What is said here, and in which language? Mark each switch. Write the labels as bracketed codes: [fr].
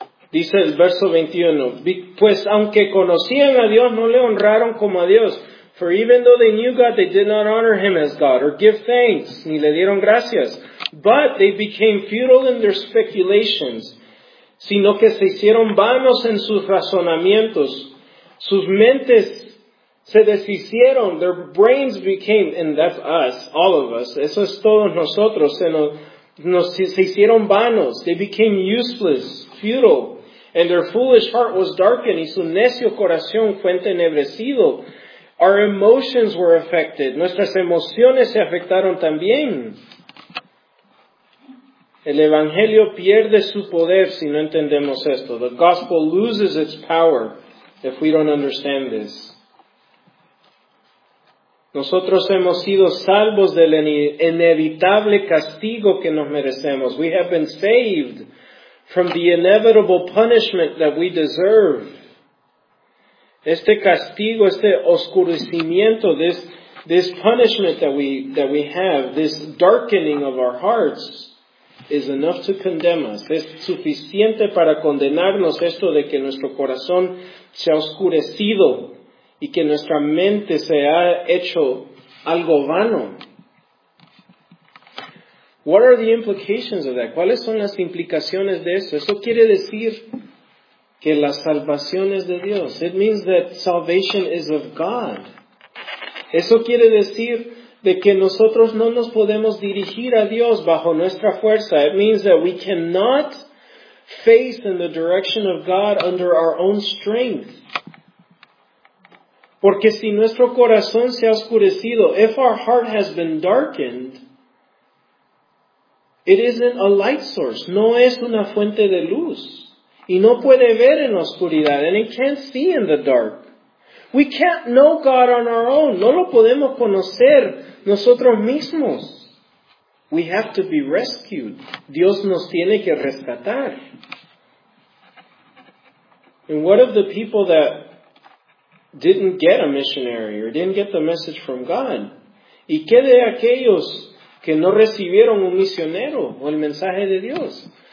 [es] Dice el verso 21, pues aunque conocían a Dios, no le honraron como a Dios. [en] For even though they knew God, they did not honor him as God, or give thanks, [es] ni le dieron gracias. [en] But they became futile in their speculations, [es] sino que se hicieron vanos en sus razonamientos. Sus mentes se deshicieron, [en] their brains became, and that's us, all of us, [es] eso es todos nosotros, se hicieron vanos, [en] they became useless, futile, and their foolish heart was darkened, [es] y su necio corazón fue entenebrecido. [en] Our emotions were affected, [es] nuestras emociones se afectaron también. El Evangelio pierde su poder si no entendemos esto. [en] The gospel loses its power if we don't understand this. [es] Nosotros hemos sido salvos del inevitable castigo que nos merecemos. [en] We have been saved from the inevitable punishment that we deserve. [es] Este castigo, este oscurecimiento, [en] this punishment that we have, this darkening of our hearts, is enough to condemn us. [es] Es suficiente para condenarnos esto de que nuestro corazón se ha oscurecido y que nuestra mente se ha hecho algo vano. [en] What are the implications of that? [es] ¿Cuáles son las implicaciones de eso? Eso quiere decir que la salvación es de Dios. [en] It means that salvation is of God. [es] Eso quiere decir de que nosotros no nos podemos dirigir a Dios bajo nuestra fuerza. [en] It means that we cannot face in the direction of God under our own strength. [es] Porque si nuestro corazón se ha oscurecido, [en] if our heart has been darkened, it isn't a light source. [es] No es una fuente de luz. Y no puede ver en la oscuridad. [en] And it can't see in the dark. We can't know God on our own. [es] No lo podemos conocer nosotros mismos. [en] We have to be rescued. [es] Dios nos tiene que rescatar. [en] And what of the people that didn't get a missionary or didn't get the message from God? [es] ¿Y qué de aquellos que no recibieron un misionero o el mensaje de Dios?